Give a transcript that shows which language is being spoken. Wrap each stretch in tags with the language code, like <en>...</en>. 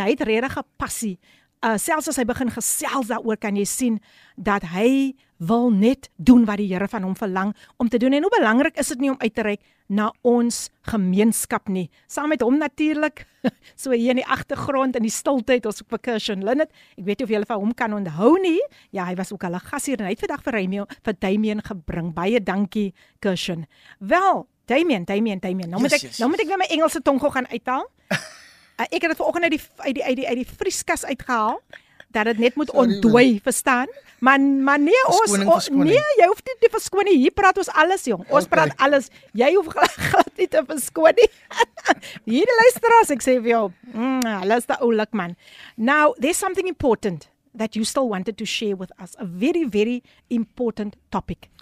<af>Hy het regtig 'n passie. Selfs as hy begin gesels daaroor, kan jy sien dat hy wil net doen wat die Here van hom verlang om te doen. En hoe belangrik is dit nie om uit te reik na ons gemeenskap nie. Saam met hom natuurlik, so hier in die agtergrond, in die stilte, ons op Percussion Linnet. Ek weet nie of julle van hom kan onthou nie. Ja, hy was ook hulle gas hier en hy het vandag vir Damian gebring. Baie dankie, Cushion. Wel, Damian, nou moet ek weer my Engelse tong gou gaan uithaal. Ek het dit vanoggend uit die vrieskas uitgehaal, dat het net moet ontdooi, verstaan? Maar nee, jy hoef nie te verskoon nie. Hier praat ons alles, jong. Praat alles. Jy hoef glad nie te verskoon nie. Hier luister as ek sê vir jou, hulle is te oulik, man.</af> <en>Now, there's something important that you still wanted to share with us. A very, very important topic.</en>